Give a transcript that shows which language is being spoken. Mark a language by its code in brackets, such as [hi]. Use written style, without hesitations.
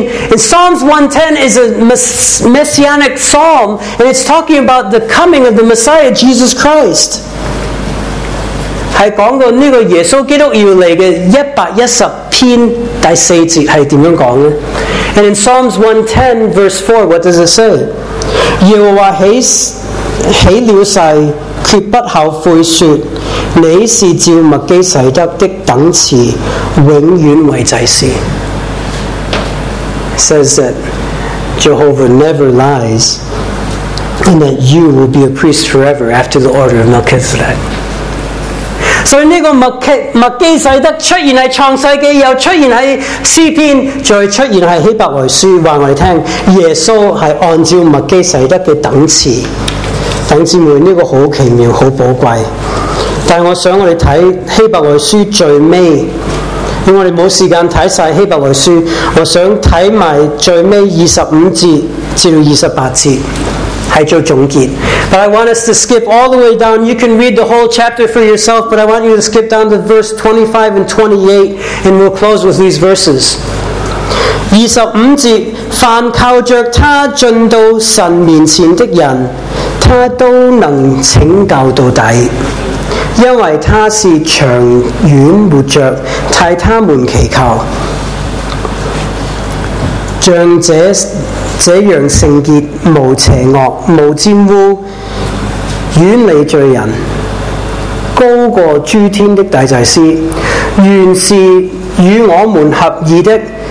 [en] And Psalms 110 is a messianic psalm, and it's talking about the coming of the Messiah, Jesus Christ. [zh] 是讲到这个耶稣基督要来的110篇第四节是怎样讲的。 [en] And in Psalms 110 verse 4, what does it say? [zh] 耶和华起了誓，绝不后悔说，你是照麦基洗德的等次，永远为祭司。 [en] It says that Jehovah never lies, and that you will be a priest forever after the order of Melchizedek. So, this Melchizedek [zh] 出现在创世纪，又出现在诗篇，再出现在希伯来书，告诉我们耶稣是按照Melchizedek的等次。弟兄姊妹，这个很奇妙，很宝贵。但我想我们看希伯来书最尾，因为我们没有时间看完希伯来书，我想看完最尾25至28节是做总结。 [en] But I want us to skip all the way down. You can read the whole chapter for yourself, but I want you to skip down to verse 25 and 28, and we'll close with these verses. [zh] 25节，凡靠着他进到神面前的人，他都能拯救到底，因为他是长远活着替他们祈求，像这样圣洁，无邪恶，无玷污，远离罪人，高过诸天的大祭司，原是与我们合意的。